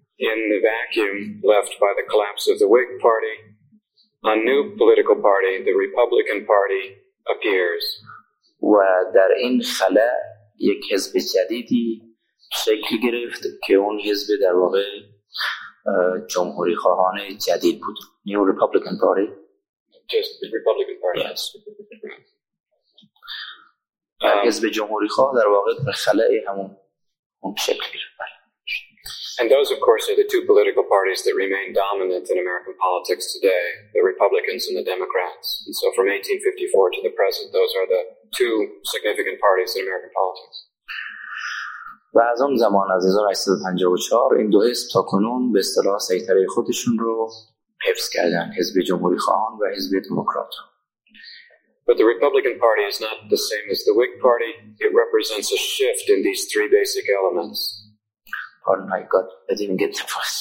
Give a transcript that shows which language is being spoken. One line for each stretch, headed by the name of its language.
English: In the vacuum left by the collapse of the Whig Party, a new political party, the Republican Party, appears.
Persian: و در این خلا یک حزب جدیدی شکل گرفت که اون حزب در واقع جمهوری خواهان جدید بود.
English: New Republican Party. Just the Republican Party. Yes.
Persian: حزب جمهوری خواه در واقع خلای همون اون شکل گرفت.
English: And those, of course, are the two political parties that remain dominant in American politics today, the Republicans and the Democrats. And so from 1854 to the present, those are the two significant parties in American politics.
Persian: و از اون زمان، از 1854، این دو حزب تا کنون به اصطلاح سیطره خودشون رو حفظ کردن، حزب جمهوری خواهان و حزب دموکرات.
English: But the Republican Party is not the same as the Whig Party. It represents a shift in these three basic elements. Pardon, my God, I didn't get the point.